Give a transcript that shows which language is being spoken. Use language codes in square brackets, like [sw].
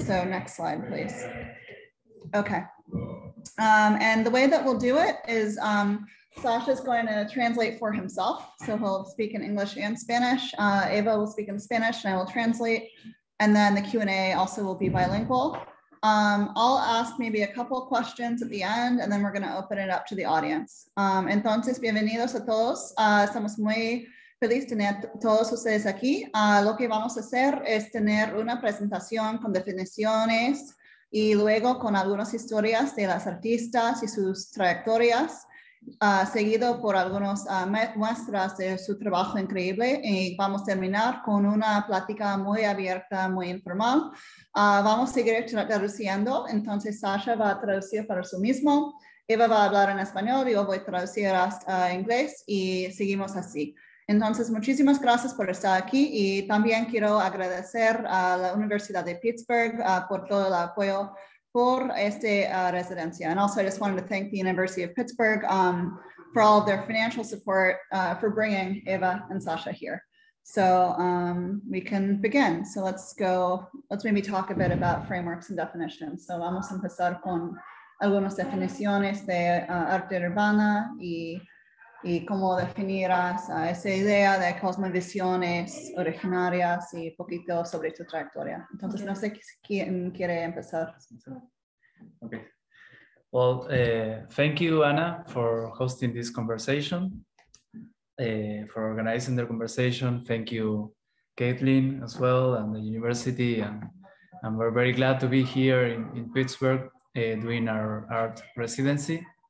[en] So next slide, please. Okay. And the way that we'll do it is Sasha's going to translate for himself. So he'll speak in English and Spanish. Ava will speak in Spanish and I will translate. And then the Q&A also will be bilingual. I'll ask maybe a couple questions at the end and then we're going to open it up to the audience. [es] Entonces, bienvenidos a todos. Estamos muy felices de tener todos ustedes aquí. Lo que vamos a hacer es tener una presentación con definiciones y luego con algunas historias de las artistas y sus trayectorias, seguido por algunas muestras de su trabajo increíble. Y vamos a terminar con una plática muy abierta, muy informal. Vamos a seguir traduciendo. Entonces, Sasha va a traducir para sí mismo. Eva va a hablar en español. Yo voy a traducir hasta inglés y seguimos así. Entonces, muchísimas gracias por estar aquí y también quiero agradecer a la Universidad de Pittsburgh por todo el apoyo por esta residencia. [en] And also, I just wanted to thank the University of Pittsburgh for all of their financial support for bringing Eva and Sasha here. So we can begin. So let's maybe talk a bit about frameworks and definitions. [es] So vamos a empezar con algunas definiciones de arte urbana y cómo definirás esa idea de cosmovisiones originarias y poquito sobre tu trayectoria. Entonces, okay. No sé quién quiere empezar. Okay. [en] Well, thank you, Anna, for hosting this conversation, for organizing the conversation. Thank you, Caitlin, as well, and the university. And we're very glad to be here in Pittsburgh doing our art residency.